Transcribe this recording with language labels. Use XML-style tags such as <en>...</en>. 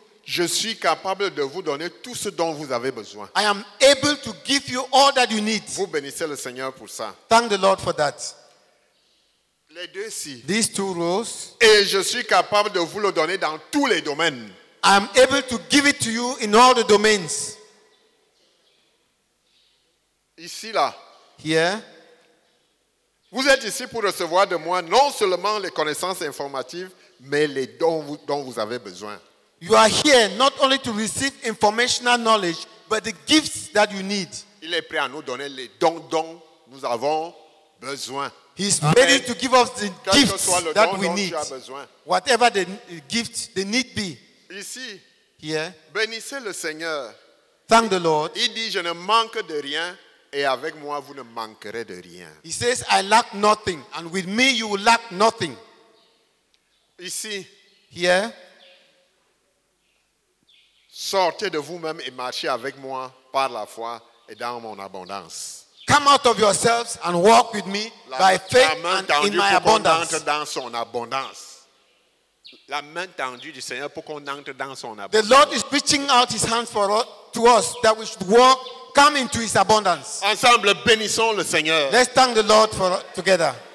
<fr>Je suis capable de vous donner tout ce dont vous avez besoin.</fr> <en>I am able to give you all that you need.</en> <fr>Vous bénissez le Seigneur pour ça.</fr> <en>Thank the Lord for that.</en> <fr>Les deux ici.</fr> <en>These two rows.</en> <fr>Et je suis capable de vous le donner dans tous les domaines.</fr> <en>I am able to give it to you in all the domains.</en> <fr>Ici là.</fr> <en>Here.</en> <fr>Vous êtes ici pour recevoir de moi non seulement les connaissances informatives, mais les dons dont vous avez besoin.</fr> <en>You are here not only to receive informational knowledge, but the gifts that you need.</en> <fr>Il est prêt à nous donner les dons dont nous avons besoin. besoin.</fr> <en>He's ready to give us the gifts that we need. Whatever the gift, the need be.</en> <fr>Ici,</fr> <en>here.</en> <fr>Bénissez le Seigneur.</fr> <en>Thank the Lord.</en> <fr>Il dit, je ne manque de rien, et avec moi, vous ne manquerez de rien.</fr> <en>He says, I lack nothing, and with me, you will lack nothing.</en> <fr>Ici,</fr> <en>here.</en> <fr>Sortez de vous-même et marchez avec moi par la foi et dans mon abondance.</fr> <en>Come out of yourselves and walk with me by faith and in my abundance.</en> <fr>Dans son abondance. La main tendue du Seigneur pour qu'on entre dans son abondance.</fr> <en>The Lord is reaching out his hands for us, to us that we should walk, come into his abundance.</en> <fr>Ensemble, bénissons le Seigneur.</fr> <en>Let's thank the Lord for together.</en>